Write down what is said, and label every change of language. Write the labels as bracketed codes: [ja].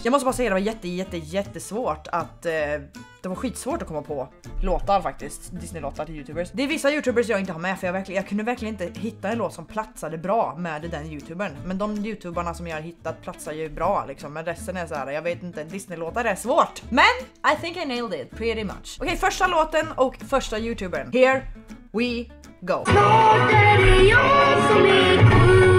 [sv] Jag måste bara säga att det var jättesvårt att det var skitsvårt att komma på låtar faktiskt. Disney låtar till YouTubers. Det är vissa YouTubers jag inte har med för jag kunde verkligen inte hitta en låt som platsade bra med den YouTubern. Men de YouTuberna som jag har hittat platsar ju bra liksom. Men resten är så här, jag vet inte, Disney låtar är svårt. Men [en] I think I nailed it pretty much. [sv] Okej, första låten och första YouTubern. [en] Here we go. [sv] Låter det jag som är här.